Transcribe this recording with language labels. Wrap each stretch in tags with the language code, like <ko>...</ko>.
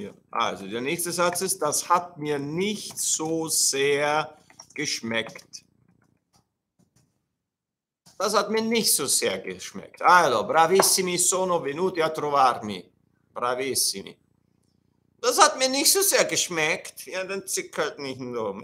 <de>Also, der nächste Satz ist, das hat mir nicht so sehr geschmeckt. Das hat mir nicht so sehr geschmeckt.</de> <it>Also, bravissimi, sono venuti a trovarmi. Bravissimi.</it> <de>Das hat mir nicht so sehr geschmeckt. Ja, dann zickert nicht rum.</de>